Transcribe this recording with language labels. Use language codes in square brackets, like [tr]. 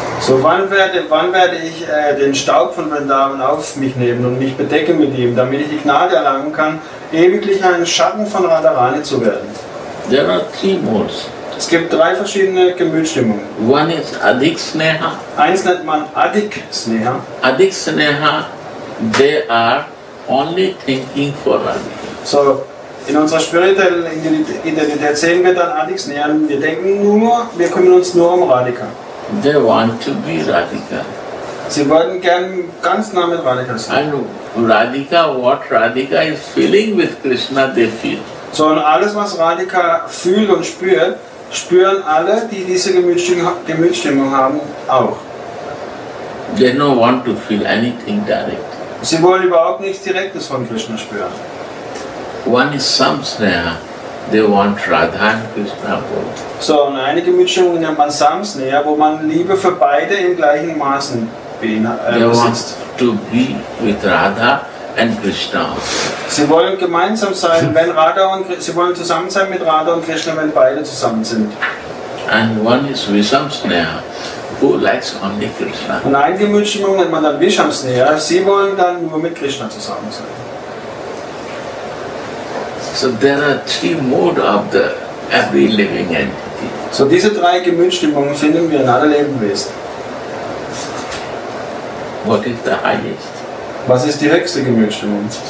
[de] So wann werde ich den Staub von Vrindavan auf mich nehmen und mich bedecken mit ihm, damit ich die Gnade erlangen kann, ewiglich ein Schatten von Radharani zu werden? [en] There are three modes. [de] Es gibt drei verschiedene Gemütsstimmungen. [en] One is Adhik Sneha. [de] Eins nennt man Adhik Sneha. [en] Adhik Sneha, they are only thinking for Radha. [de] So, in unserer spirituellen Identität sehen wir dann Adhik Sneha. Wir denken nur, wir kümmern uns nur um Radhika. [en] They want to be Radhika. [de] Sie wollen gern ganz nah mit Radhika sein. [en] And Radhika, what Radhika is feeling with Krishna, they feel. [de] So, und alles, was Radhika fühlt und spürt, spüren alle, die diese Gemütsstimmung haben, auch. [en] They don't want to feel anything direct. [de] Sie wollen überhaupt nichts Direktes von Krishna spüren. [en] One is Samsneha, they want Radha and Krishna both. [de] So, und eine Gemütsstimmung nennt man Samsneha, wo man Liebe für beide im gleichen Maßen besitzt. [en] They want to be with Radha and Krishna. [de] Sie wollen gemeinsam sein, wenn Radha und Sie wollen zusammen sein mit Radha und Krishna, wenn beide zusammen sind. [en] And one is Visamsneha, who likes only Krishna. [de] Und eine Gemütsstimmung nennt man dann Visamsneha. Sie wollen dann nur mit Krishna zusammen sein. [en] So there are three modes of the every living entity. [de] So diese drei Gemütsstimmungen finden wir in allen Lebewesen. [en] What is the highest? [de] Was ist die höchste Gemütsstimmung?